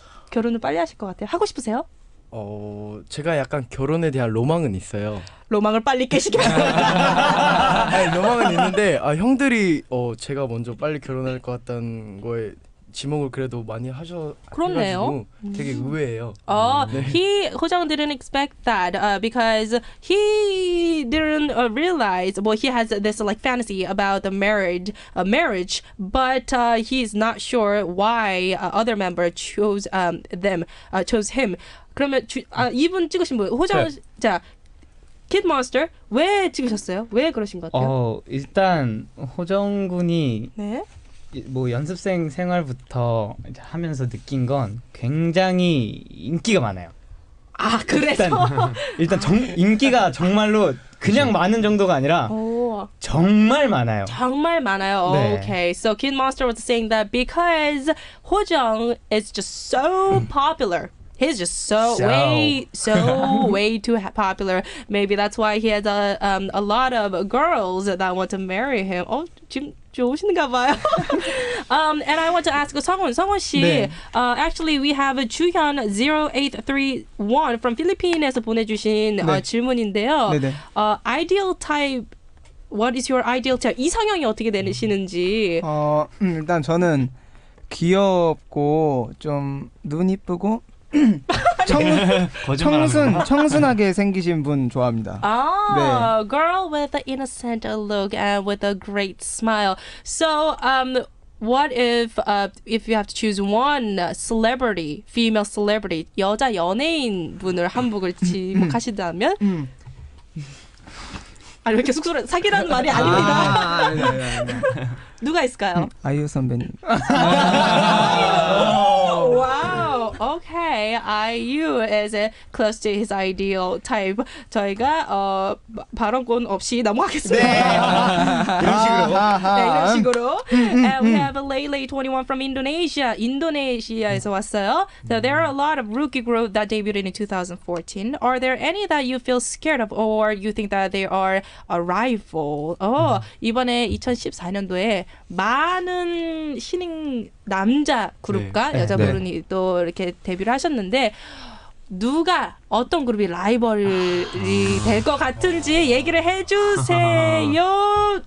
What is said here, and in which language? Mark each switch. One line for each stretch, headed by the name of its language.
Korean: 결혼을 빨리 하실 것 같아요. 하고 싶으세요? 제가 약간 결혼에 대한 로망은 있어요. 로망을 빨리 깨시길 바랍니다. 로망은 있는데 형들이 제가 먼저 빨리 결혼할 것 같다는 거에 지목을 그래도 많이 하셔 그렇네요. 되게 의외예요.
English: Hojang didn't expect that because he didn't realize. Well, he has this like fantasy about the marriage, but he's not sure why other member chose chose him.
Korean: 그러면 이분 찍으신 분 호정 네. 자 킷몬스터 왜 찍으셨어요? 왜 그러신 것 같아요? 일단 호정 군이 네? 뭐 연습생 생활부터 이제 하면서 느낀 건 굉장히 인기가 많아요. 아 그래서? 일단 인기가 정말로 그냥 많은 정도가 아니라 정말 많아요. 정말 많아요. 네.
English: Okay, so Kid Monster was saying that because Ho Jung is just so popular, he's just way too popular. Maybe that's why he has a lot of girls that want to marry him.
Korean: Oh, 지금 좋으신가 봐요.
English: And I want to ask Sungwon 씨. 네. Actually, we have Juhyun 0831 from Philippines
Korean: 보내주신 네. 질문인데요.
English: 아이디얼 타입 What is your ideal type?
Korean: 이상형이 어떻게 되시는지? 일단 저는 귀엽고 좀 눈 이쁘고 청순하게 생기신 분 좋아합니다. 아, 네.
English: girl with an innocent look and with a great smile. So, what if you have to choose one celebrity, female celebrity,
Korean: 여자 연예인 분을 한복을 지목하신다면? 아니 왜 이렇게 쑥스러워 사기라는 말이 아닙니다. 아, 아니, 누가 있을까요? 아이유 선배님. 와우.
English: Okay, IU is close to his ideal type.
Korean: 저희가 발언권 없이 넘어가겠습니다. 이런 식으로. 네, 이런 식으로.
English: And we have Lele 21 from Indonesia.
Korean: 인도네시아에서 왔어요.
English: So there are a lot of rookie group that debuted in 2014. Are there any that you feel scared of or you think that they are a rival?
Korean: 이번에 2014년도에 많은 신인 남자 그룹과 네. 여자 그룹이 네. 또 이렇게 데뷔를 하셨는데 누가 어떤 그룹이 라이벌이 될 것 같은지 얘기를 해주세요.